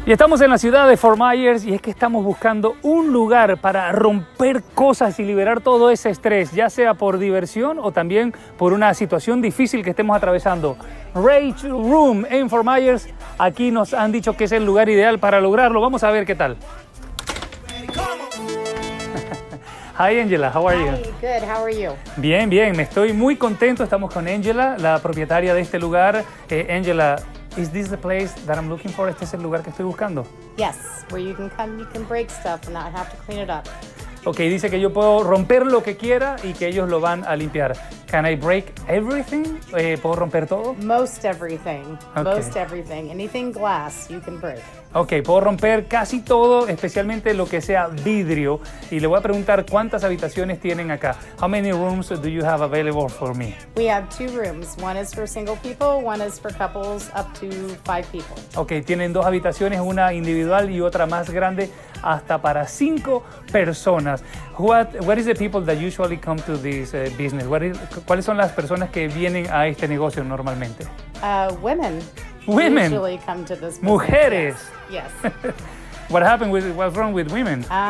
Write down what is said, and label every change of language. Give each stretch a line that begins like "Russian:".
Spanish: Y estamos en la ciudad de Fort Myers y es que estamos buscando un lugar para romper cosas y liberar todo ese estrés, ya sea por diversión o también por una situación difícil que estemos atravesando. Rage Room en Fort Myers, aquí nos han dicho que es el lugar ideal para lograrlo. Vamos a ver qué tal.
English: Hi Angela, how are you? Hi, good, how are you?
Spanish: Bien, bien, me estoy muy contento. Estamos con Angela, la propietaria de este lugar.
English: Angela, is this the place that I'm looking for?
Spanish: ¿Este es el lugar que estoy buscando?
English: Yes, where you can come, you can break stuff and not have to clean it up.
Spanish: Okay, dice que yo puedo romper lo que quiera y que ellos lo van a limpiar.
English: Can I break everything?
Spanish: ¿Puedo romper todo?
English: Most everything. Okay. Most everything. Anything glass, you can break.
Spanish: Okay, puedo romper casi todo, especialmente lo que sea vidrio. Y le voy a preguntar cuántas habitaciones tienen acá.
English: How many rooms do you have available for me? We have two rooms. One is for single people, one is for couples up to 5 people.
Spanish: Okay, tienen dos habitaciones, una individual y otra más grande, hasta para 5 personas.
English: What is the people that usually come to this business?
Spanish: ¿Cuáles son las personas que vienen a este negocio normalmente?
English: Women. Women. Usually come to this.
Spanish: Mujeres.
English: Yes. What happened with, what's wrong with women?